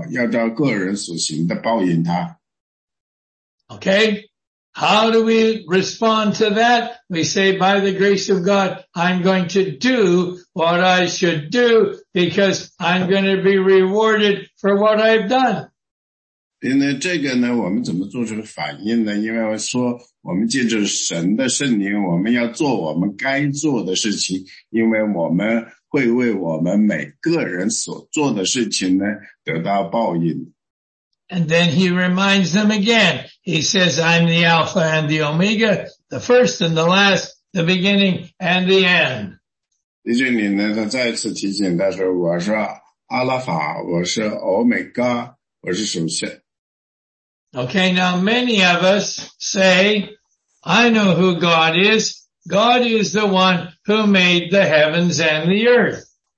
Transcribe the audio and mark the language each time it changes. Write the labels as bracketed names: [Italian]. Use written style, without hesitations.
[Chinese] 第十二节后面继续说，赏罚在我，要照个人所行的报应他。 [English] Okay, how do we respond to that? We say, by the grace of God, I'm going to do what I should do because I'm going to be rewarded for what I've done. [Chinese] 因为这个呢，我们怎么做出反应呢？因为说我们借着神的圣灵，我们要做我们该做的事情，因为我们会为我们每个人所做的事情呢得到报应。 [English] And then he reminds them again. He says, I'm the Alpha and the Omega, the first and the last, the beginning and the end. [Chinese] 在这里呢，他再次提醒他说，我是阿拉法，我是欧米伽，我是首先。 [English] Okay, now many of us say, I know who God is. God is the one who made the heavens and the earth.